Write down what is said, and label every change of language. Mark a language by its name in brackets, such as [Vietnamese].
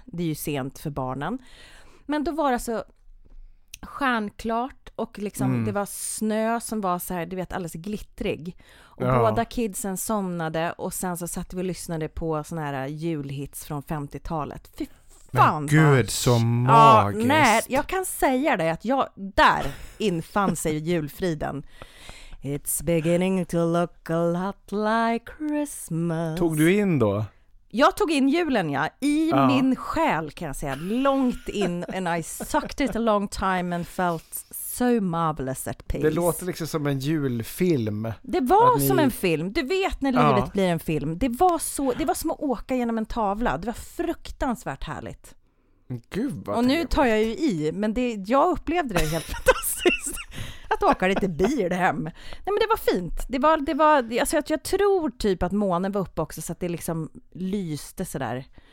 [Swedish] Det är ju sent för barnen. Men då var det så stjärnklart och liksom det var snö som var så här, du vet, alldeles glittrig. Och båda kidsen somnade och sen så satt vi och lyssnade på såna här julhits från 50-talet. Fy fan! Men gud, så magiskt! Ja, nej, jag kan säga det att jag, där infann sig julfriden. [English] It's beginning to look a lot like Christmas. [Swedish] Tog du in då? Jag tog in julen, ja. I min själ, kan jag säga. Långt in. [English] And I sucked it a long time and felt so marvelous at peace. [Swedish] Det låter liksom som en julfilm. Det var som en film. Du vet när livet blir en film. Det var som att åka genom en tavla. Det var fruktansvärt härligt. Gud, vad och nu tar jag ju i. Men jag upplevde det helt fantastiskt. Att åka lite bil hem. Nej, men det var fint. Det var, alltså jag tror typ att månen var uppe också, så att det liksom lyste så där.